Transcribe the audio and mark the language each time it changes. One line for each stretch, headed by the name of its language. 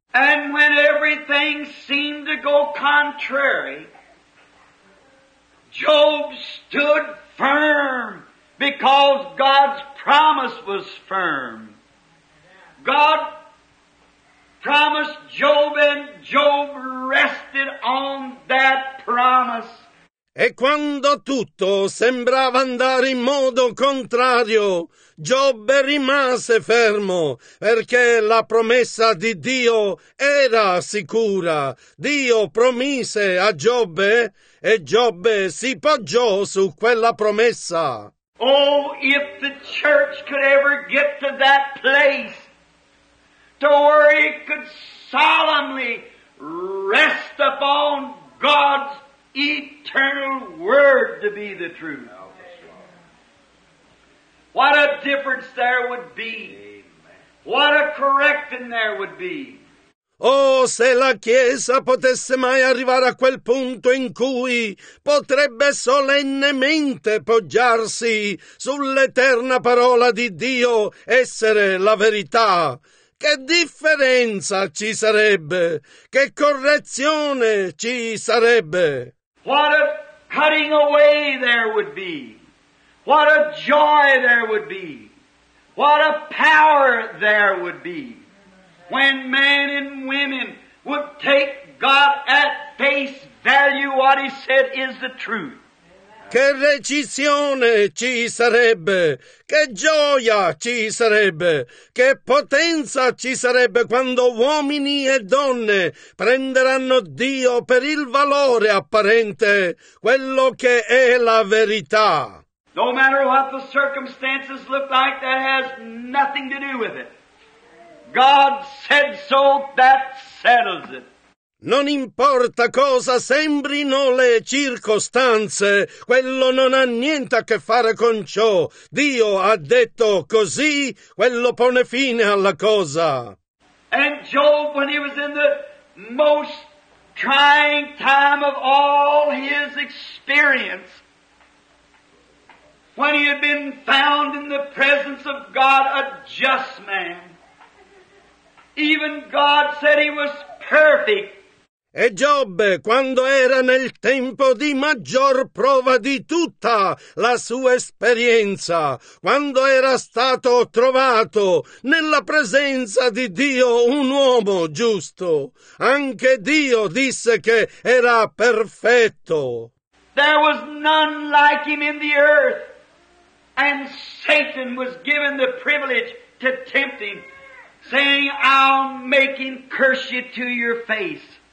English: And when everything seemed to go contrary, Job stood firm, because God's promise was firm. God promised Job, and Job rested on that promise.
Italian: E quando tutto sembrava andare in modo contrario, Giobbe rimase fermo, perché la promessa di Dio era sicura. Dio promise a Giobbe, e Giobbe si poggiò su quella promessa.
English: Oh, if the church could ever get to that place, to where it could solemnly rest upon God's eternal word to be the truth. What a difference there would be. What a correcting there would be.
Italian: Oh, se la Chiesa potesse mai arrivare a quel punto in cui potrebbe solennemente poggiarsi sull'eterna parola di Dio essere la verità, che differenza ci sarebbe? Che correzione ci sarebbe?
English: What a cutting away there would be! What a joy there would be! What a power there would be! When men and women would take God at face value, what He said is the truth.
Italian: Che recisione ci sarebbe, che gioia ci sarebbe, che potenza ci sarebbe quando uomini e donne prenderanno Dio per il valore apparente, quello che è la verità.
English: No matter what the circumstances look like, that has nothing to do with it. God said so, that settles it.
Italian: Non importa cosa sembrino le circostanze, quello non ha niente a che fare con ciò. Dio ha detto così, quello pone fine alla cosa.
English: And Job, when he was in the most trying time of all his experience, when he had been found in the presence of God a just man, even God said he was perfect.
Italian: E Giobbe, quando era nel tempo di maggior prova di tutta la sua esperienza, quando era stato trovato nella presenza di Dio un uomo giusto, anche Dio disse che era perfetto.
English: There was none like him in the earth, and Satan was given the privilege to tempt him. saying, I'll make him curse you to your face.